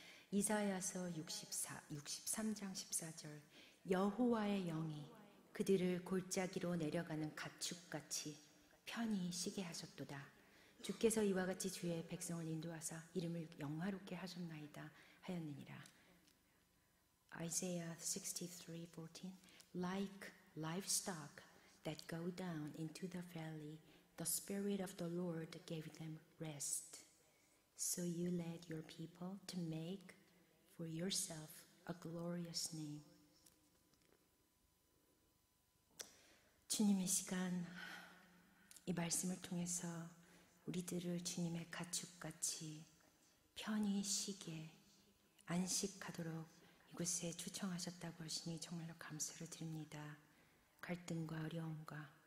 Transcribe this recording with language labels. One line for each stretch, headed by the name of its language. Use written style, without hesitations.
Korean: 이사야서 63장 14절 여호와의 영이 그들을 골짜기로 내려가는 가축같이 편히 쉬게 하셨도다. 주께서 이와 같이 주의 백성을 인도하사 이름을 영화롭게 하셨나이다 하였느니라.
English: 이사야 63:14 Like livestock that go down into the valley, the Spirit of the Lord gave them rest. So you led your people to make for yourself a glorious name.
Korean: 주님의 시간, 이 말씀을 통해서 우리들을 주님의 가축같이 편히 쉬게 안식하도록 이곳에 초청하셨다고 하시니 정말로 감사를 드립니다. 갈등과 어려움과